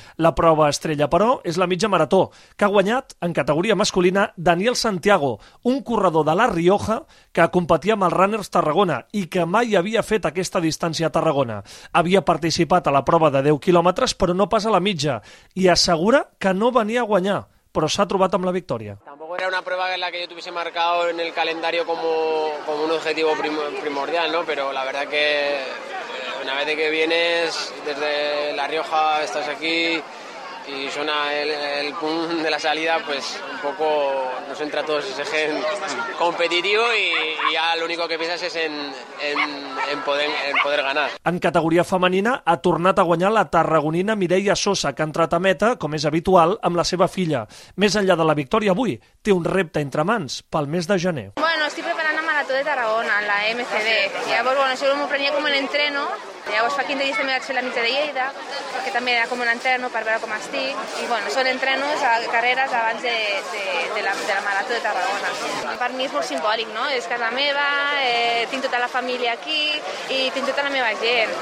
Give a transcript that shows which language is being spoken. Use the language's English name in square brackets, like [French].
[Catalan] La prova estrella, però, és la mitja marató, que ha guanyat, en categoria masculina, Daniel Santiago, un corredor de La Rioja que competia amb el Runners Tarragona i que mai havia fet aquesta distància a Tarragona. Havia participat a la prova de 10 quilòmetres, però no pas a la mitja, i assegura que no venia a guanyar, però s'ha trobat amb la victòria. [Spanish] Tampoco era una prueba en la que yo tuviese marcado en el calendario como un objetivo primordial, ¿no? Pero la verdad que una vez que vienes desde La Rioja, estás aquí y suena el pum de la salida, pues un poco nos entra todo ese gen competitivo y ya lo único que piensas es en poder ganar. [Catalan] En categoria femenina ha tornat a guanyar la tarragonina Mireia Sosa, que ha entrat a meta, com és habitual, amb la seva filla. Més enllà de la victòria avui, té un repte entre mans pel mes de gener. [Spanish] Bueno, estoy preparando la Marató de Tarragona, la MCD. [Catalan] Llavors, bueno, això m'ho prenia com un entreno. Llavors, fa 15 dies també vaig fer la mitja de Lleida, perquè també era com un entreno per veure com estic. I, bueno, són entrenos a carreres abans de la Marató de Tarragona. Per mi és molt simbòlic, no? És casa meva, tinc tota la família aquí i tinc tota la meva gent.